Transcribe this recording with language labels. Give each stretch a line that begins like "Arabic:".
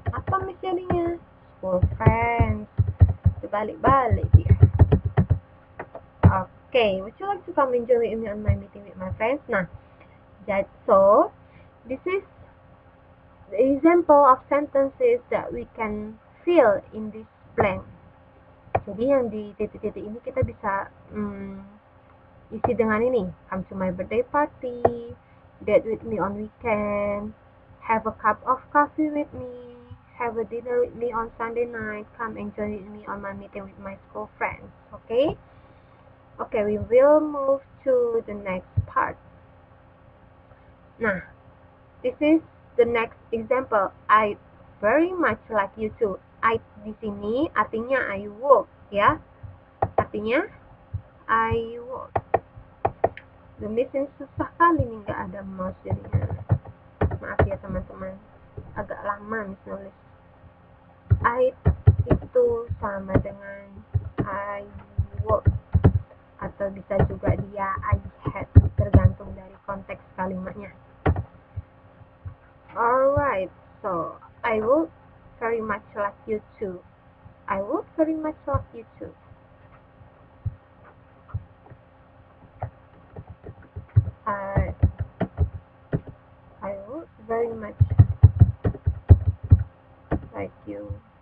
Indonesian: Apa misalnya?
English: School friends.
Indonesian: Dibalik-balik dia.
English: Okay, would you like to come and join me on my meeting with my friends? Nah, that's so. This is the example of sentences that we can fill in this blank.
Indonesian: Jadi yang di titik-titik ini kita bisa isi dengan ini.
English: Come to my birthday party, date with me on weekend, have a cup of coffee with me, have a dinner with me on Sunday night, come and join with me on my meeting with my school friends. Okay? Okay, we will move to the next part. Nah, this is the next example. I very much like you too.
Indonesian: I di sini artinya I would, ya. Artinya I would. The missing susah kali nih, nggak ada mouse jadinya. Maaf ya teman-teman, agak lama nih nulis. I itu sama dengan I would, atau bisa juga dia I had, tergantung dari konteks kalimatnya.
English: Alright, so I would very much like you too. I would very much like you too. I would very much like you.